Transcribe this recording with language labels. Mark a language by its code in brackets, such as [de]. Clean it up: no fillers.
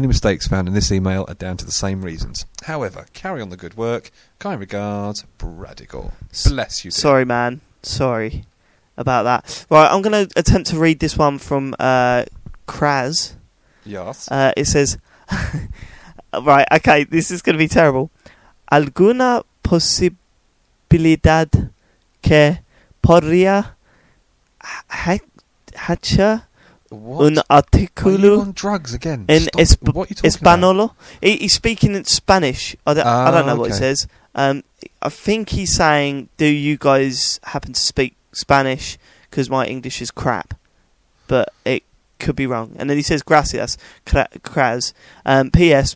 [en] Any mistakes found in this email are down to the same reasons. However, carry on the good work. Kind regards, Brad Igor. Bless you, dear. Sorry, man. Sorry about that. Right, I'm going to attempt to read this one from Kraz. Yes. It says... Right, okay, this is going to be terrible. [es] ¿Alguna posibilidad que podría hacer un artículo en español? [en] He's speaking in Spanish. I don't know what he says. I think he's saying, do you guys happen to speak Spanish? Because my English is crap. But it... could be wrong. And then he says, gracias, Kraz. P.S.